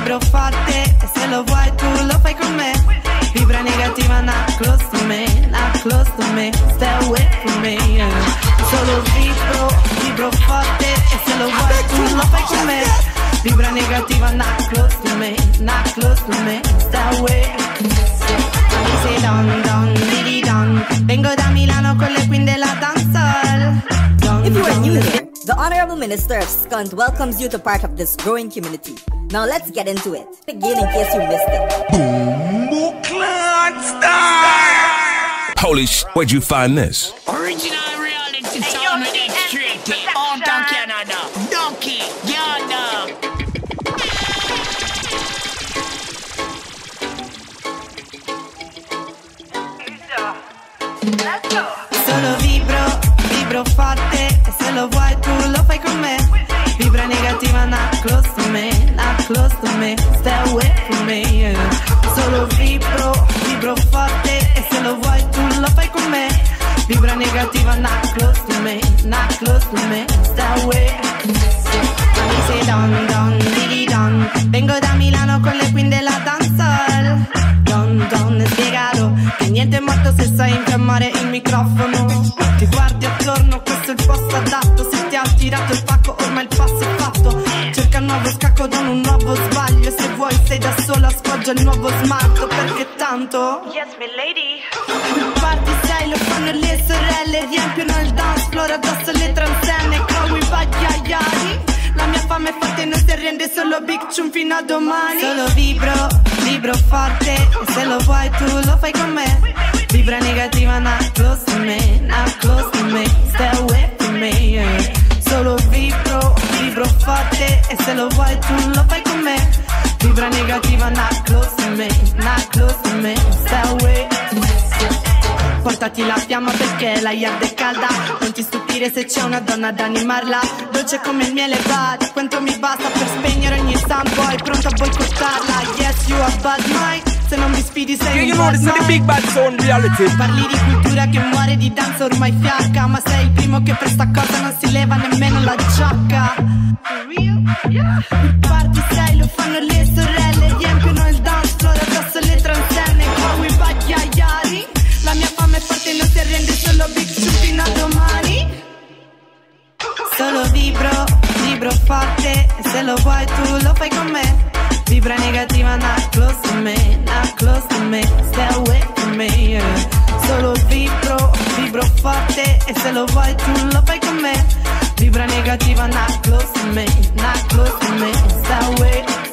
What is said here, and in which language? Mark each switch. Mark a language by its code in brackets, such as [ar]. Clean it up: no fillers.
[it] Forte, se lo vuoi tu lo fai con me. Vibra negativa, [en] not close to me, not close to me, stay away from me. [it] Solo vibro, vibro forte, se lo vuoi tu lo fai con me. Vibra negativa, [en] not close to me, not close to me, stay away. [it] Mi sei don, don, diri don. Vengo da Milano con le queen della dancehall. [en] Don, if you are new here, the Honorable Minister of SCUNT welcomes you to part of this growing community. Now let's get into it. Begin in case you missed it. Boom! Star! Holy sh! Where'd you find this? Original reality sound on X-Street. All down Canada. Donkey! Yada! Let's go! [it] Solo vibro, vibro forte. Se lo vuoi tu lo fai con me. Vibra negativa, [en] not close to me, not close to me, stay away from me. [it] Solo vibro, vibro forte, e se lo vuoi tu lo fai con me. Vibra negativa, [en] not close to me, not close to me, stay away. [it] Mi sei don, don, diri don. Vengo da Milano con le queen della dancehall. Don, don, spiegalo, che niente è morto se sai infiammare il microfono. Ti guardi attorno, questo è il posto adatto. Se ti ha tirato il pacco, ormai il passo è fatto. Cerca un nuovo scacco, da un nuovo sbaglio. Se vuoi sei da sola, sfoggia il nuovo smalto. Perché tanto, [en] yes, my lady. Party style, [it] lo fanno le sorelle. Riempiono il dance floor, addosso alle transenne. Come in baglia, fame forte, non si arrende, solo big chum fino a domani. Solo vibro, vibro forte, e se lo vuoi tu lo fai con me. Vibra negativa, [en] not close to me, not close to me, stay away from me, yeah. [it] Solo vibro, vibro forte, e se lo vuoi tu lo fai con me. Vibra negativa, [en] not close to me, not close to me, stay away. [it] Portati la fiamma perché la yard è calda. Non ti stupire se c'è una donna ad animarla. Dolce come il miele bada. Quanto mi basta per spegnere ogni soundboy. Pronto a boicottarla. [en] Yes, you are bad mind. [it] Se non mi sfidi sei [en] you [it] un [en] know, this is the big bad zone reality. [it] Parli di cultura che muore di danza ormai fiacca. Ma sei il primo che per sta cosa non si leva nemmeno la giacca. [en] For real? Yeah. [it] Parti sei, lo fanno le sorelle. Riempiono il dance floor addosso le transenne. [en] Come we back, yeah, yeah. [it] La mia fame è forte, non si arrende, solo big shoot fino a domani. Solo vibro, vibro forte, e se lo vuoi tu lo fai con me. Vibra negativa, [en] not close to me, not close to me, stay away from me, yeah. [it] Solo vibro, vibro forte, e se lo vuoi tu lo fai con me. Vibra negativa, [en] not close to me, not close to me, stay away.